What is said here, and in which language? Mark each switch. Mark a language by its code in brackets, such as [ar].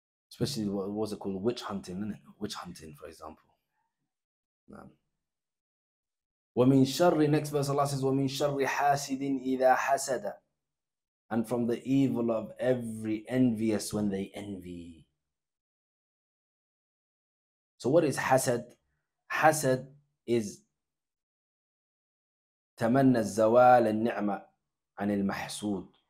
[en] Especially, what was it called? Witch hunting, isn't it? Witch hunting, for example. [ar] وَمِن شَرِّ [en] Next verse, Allah says, [ar] وَمِن شَرِّ حَاسِدٍ إِذَا حَسَدَ. [en] And from the evil of every envious when they envy. So what is hasad? Hasad is tamanna zawal al ni'ma an al mahsud.